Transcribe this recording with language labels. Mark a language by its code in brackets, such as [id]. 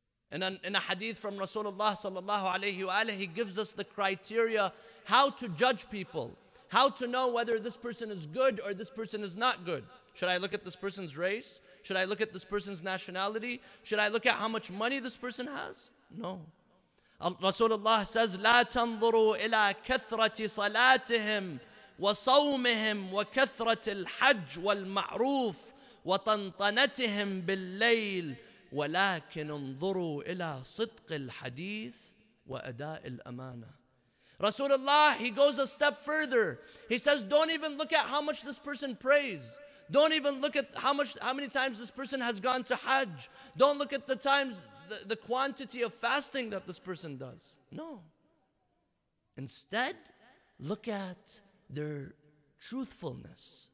[en] And in a hadith from Rasulullah sallallahu alayhi wa alayhi, he gives us the criteria how to judge people. How to know whether this person is good or this person is not good? Should I look at this person's race? Should I look at this person's nationality? Should I look at how much money this person has? No. Rasulullah says, [ar] لا تنظروا إلى كثرة صلاتهم وصومهم وكثرة الحج والمعروف وطنطنتهم بالليل ولكن انظروا إلى صدق الحديث وأداء الأمانة. [en] Rasulullah, he goes a step further. He says, don't even look at how much this person prays. Don't even look at how many times this person has gone to Hajj. Don't look at the times, the quantity of fasting that this person does. No. Instead, look at their truthfulness.